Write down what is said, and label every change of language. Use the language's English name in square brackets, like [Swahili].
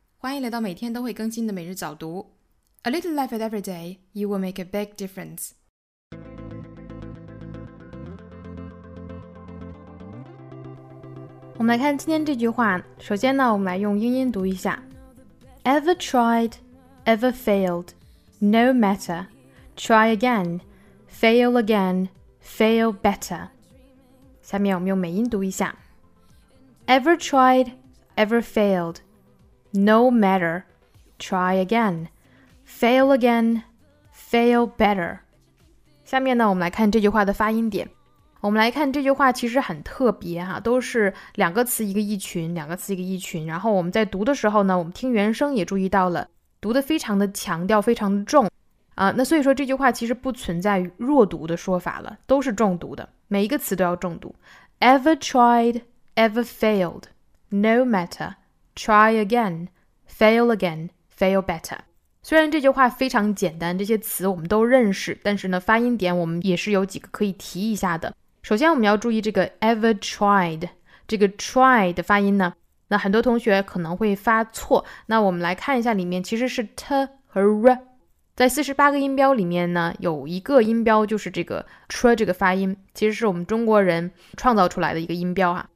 [Chinese] 欢迎来到每天都会更新的每日早读。 [English] A little effort every day, you will make a big difference. [Chinese] Mm-hmm. 我们来看今天这句话。首先呢，我们来用英音读一下。 [English] Ever tried, ever failed, no matter. Try again, fail again, fail better. [Chinese] 下面我们用美音读一下。 [English] Ever tried,Ever failed, no matter, try again, fail again, fail better. [Chinese] 下面呢，我们来看这句话的发音点。我们来看这句话其实很特别哈，都是两个词一个意群，两个词一个意群。然后我们在读的时候呢，我们听原声也注意到了，读得非常的强调，非常的重啊。那所以说这句话其实不存在弱读的说法了，都是重读的，每一个词都要重读。 [English] Ever tried, ever failed. No matter, try again, fail again, fail better. [Chinese] 虽然这句话非常简单，这些词我们都认识，但是呢，发音点我们也是有几个可以提一下的。首先我们要注意这个 [English] ever tried, [Chinese] 这个 try 的发音呢，那很多同学可能会发错。那我们来看一下里面其实是 t 和 r。在48个音标里面呢，有一个音标就是这个 tr 这个发音，其实是我们中国人创造出来的一个音标啊。